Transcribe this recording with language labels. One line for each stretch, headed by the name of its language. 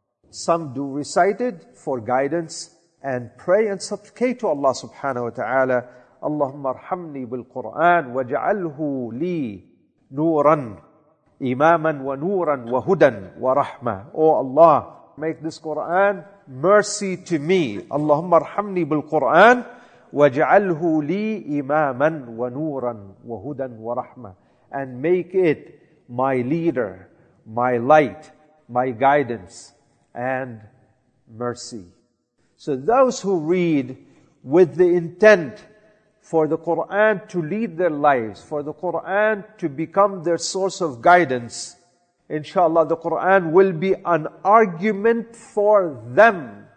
English: Some do recite it for guidance and pray and supplicate to Allah subhanahu wa ta'ala,
Arabic: اللهم ارحمني بالقرآن وجعله لي نورا إماما ونورا وهدى ورحمة.
English: Oh Allah, make this Quran mercy to me.
Arabic: اللهم ارحمني بالقرآن وجعله لي إماما ونورا وهدى ورحمة.
English: And make it my leader, my light, my guidance and mercy. So those who read with the intent for the Qur'an to lead their lives, for the Qur'an to become their source of guidance, inshallah, the Qur'an will be an argument for them.